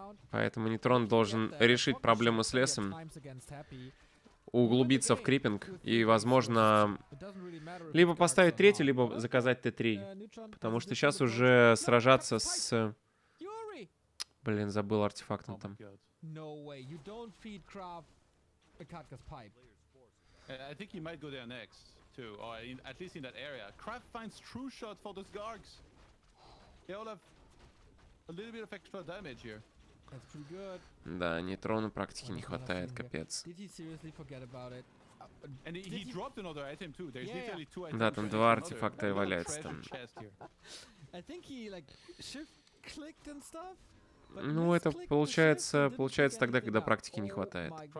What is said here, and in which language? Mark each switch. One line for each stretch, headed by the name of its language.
Russian: Поэтому Нейтрон должен решить проблему с лесом, углубиться в крипинг и, возможно, либо поставить третий, либо заказать Т3. Потому что сейчас уже сражаться с... Блин, забыл артефакт он там.
English: No way. You don't feed Krav a Katka's pipe. I think he might go there next, too. Or in, at least in that area. Krav finds true shot for those Gargs. They all have a little bit of extra damage here. That's pretty good.
Russian: Да, Нейтрону практики не хватает, капец.
English: Did he seriously forget about it? And he dropped another item too. There's literally two items.
Russian: Да, там два артефакта и валяется там.
English: I think he like shift clicked and stuff.
Russian: Ну, это получается, получается тогда, когда практики не хватает.